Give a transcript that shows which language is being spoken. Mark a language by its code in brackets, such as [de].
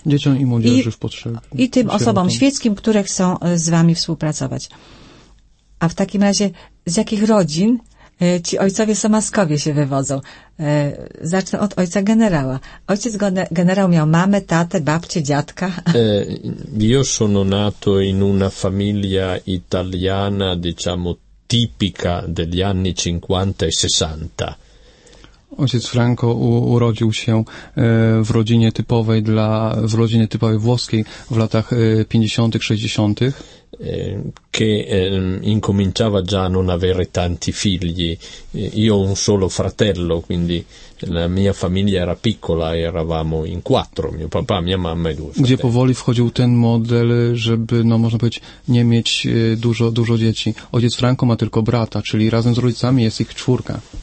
[pl] Dzieciom i młodzieży w potrzebie. I tym osobom świeckim, które chcą z wami współpracować. A w takim razie, z jakich rodzin ci ojcowie somaskowie się wywodzą? Zacznę od ojca generała. Ojciec generał miał mamę, tatę, babcię, dziadka. [it] Io sono nato in una famiglia italiana, diciamo, tipica degli anni 50 e 60. [pl] Ojciec Franco urodził się w rodzinie typowej włoskiej w latach 50-tych, 60-tych. [it] Che incominciava già a non avere tanti figli. Io ho un solo fratello, quindi la mia famiglia era piccola, eravamo in quattro, mio papà, mia mamma e due fratelli. [pl] Gdzie powoli wchodził ten model, żeby, no można powiedzieć, nie mieć dużo dzieci. Ojciec Franco ma tylko brata, czyli razem z rodzicami jest ich czwórka.